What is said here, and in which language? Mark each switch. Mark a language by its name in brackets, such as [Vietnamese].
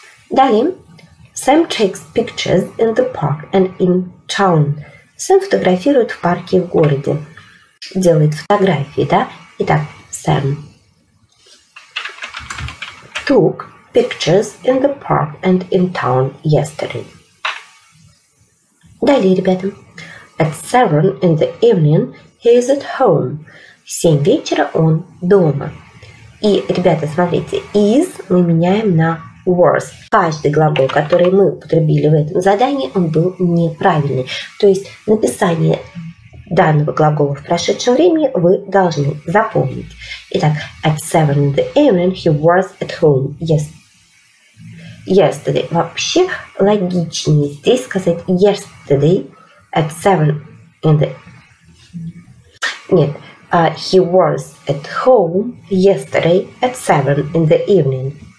[Russian] Далее. [English] Sam takes pictures in the park and in town. [Russian] Сэм фотографирует в парке в городе. Делает фотографии, да? Итак, Сэм. [English] Took pictures in the park and in town yesterday. [Russian] Далее, ребята. [English] At 7 in the evening, he is at home. [Russian] В 7 вечера он дома. И, ребята, смотрите, is мы меняем на was. Каждый глагол, который мы употребили в этом задании, он был неправильный. То есть написание данного глагола в прошедшем времени вы должны запомнить. Итак, [English] at 7 in the evening, he was at home. Yes. Yesterday. [Russian] Вообще логичнее здесь сказать [English] yesterday at 7 in the... [Russian] Нет. [English] He was at home yesterday at 7 in the evening.